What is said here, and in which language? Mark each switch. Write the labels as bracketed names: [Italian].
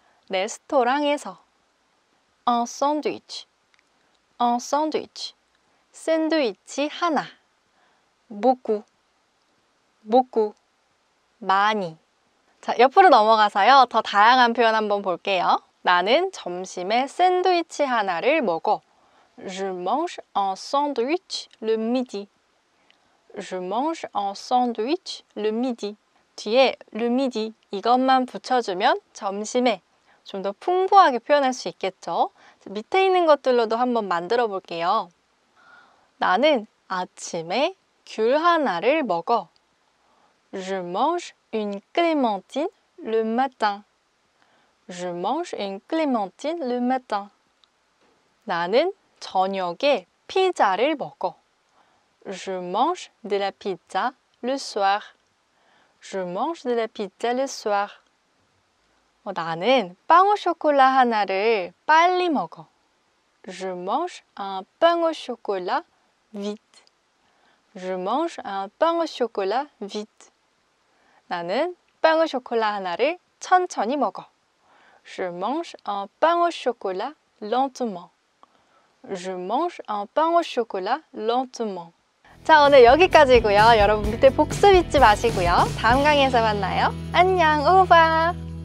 [Korean] 레스토랑에서. [French] Un sandwich. Un sandwich. [Korean] 샌드위치 하나. [French] Beaucoup. Beaucoup. [Korean] 많이. 자, 옆으로 넘어가서요. 더 다양한 표현 한번 볼게요. 나는 점심에 샌드위치 하나를 먹어. [French] Je mange un sandwich le midi. Je mange un sandwich le midi. [Korean] 뒤에 [French] le midi [Korean] 이것만 붙여주면 점심에 좀 더 풍부하게 표현할 수 있겠죠? 밑에 있는 것들로도 한번 만들어 볼게요. 나는 아침에 귤 하나를 먹어. [French] Je mange une clémentine le matin. Je mange une clémentine le matin. [Korean] 나는 저녁에 피자를 먹어. [French] Je mange de la pizza le soir. Je mange de la pizza le soir. [Korean] 나는 빵 au chocolat 하나를 빨리 먹어. [French] Je mange un pain au chocolat vite. Je mange un pain au chocolat vite. [Korean] 나는 빵 au chocolat 하나를 천천히 먹어. [French] Je mange un pain au chocolat lentement. Je mange un pain au chocolat lentement. [Korean] 자, 오늘 여기까지고요. 여러분 밑에 복습 잊지 마시고요. 다음 강의에서 만나요. 안녕, 오바!